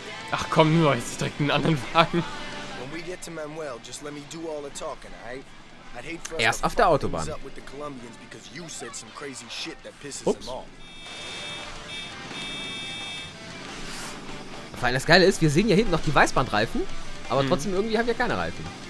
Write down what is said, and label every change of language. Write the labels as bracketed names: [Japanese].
[German] Ach komm, nur jetzt direkt einen anderen Wagen. [English] When we get to Manuel, just let me do all the talking, alright? I'd hate for us to fuck things up with the Colombians because you said some crazy shit that pisses them off. [German] Vor allem das Geile ist, wir sehen ja hinten noch die Weißbahnreifen, aber trotzdem irgendwie haben wir keine Reifen.